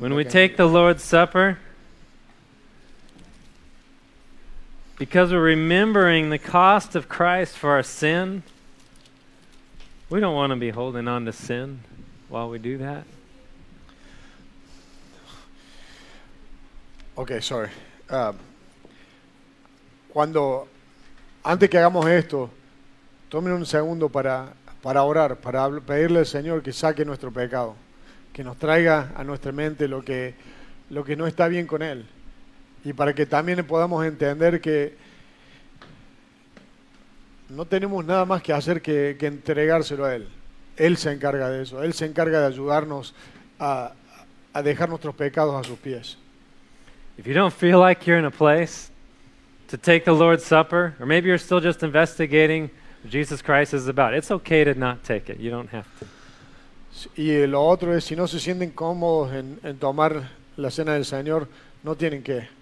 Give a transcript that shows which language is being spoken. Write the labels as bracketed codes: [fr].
[en] When we take the Lord's Supper, because we're remembering the cost of Christ for our sin, we don't want to be holding on to sin while we do that. Okay, sorry. [es] Cuando antes que hagamos esto, tomen un segundo para orar, para pedirle al Señor que saque nuestro pecado, que nos traiga a nuestra mente lo que no está bien con Él. Y para que también podamos entender que no tenemos nada más que hacer que entregárselo a Él. Él se encarga de eso. Él se encarga de ayudarnos a dejar nuestros pecados a sus pies. [en] If you don't feel like you're in a place to take the Lord's Supper, or maybe you're still just investigating what Jesus Christ is about, it's okay to not take it. You don't have to. [es] Y lo otro es, si no se sienten cómodos en tomar la cena del Señor, no tienen que.